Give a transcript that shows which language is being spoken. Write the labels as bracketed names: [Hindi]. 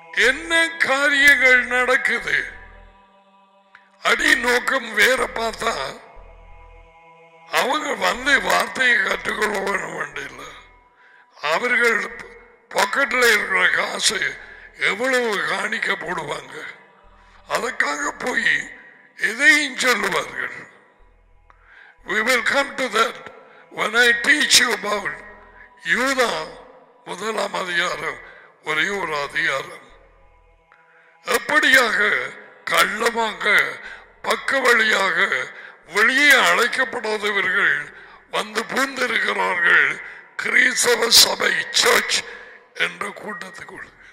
[Tamil] என்ன காரியங்கள் நடக்குது? அடி நோக்கம் வேற பார்த்தா அவங்க வந்து வார்த்தையை கற்றுக்கொள்ள வேண்டிய அவர்கள் பாக்கெட்ல இருக்கிற காசு எவ்வளவு காணிக்க போடுவாங்க, அதுக்காக போய் எதையும் சொல்லுவார்கள். [English] We will come to that when I teach you about [Tamil] யூதா முதலாம் அதிகாரம் ஒரே ஒரு அதிகாரம். எப்படியாக கள்ளமாக பக்க வழியாக வெளியே அழைக்கப்படாதவர்கள் வந்து பூந்திருக்கிறார்கள் கிறிஸ்தவ சபை சர்ச் என்ற கூட்டத்துக்குள்.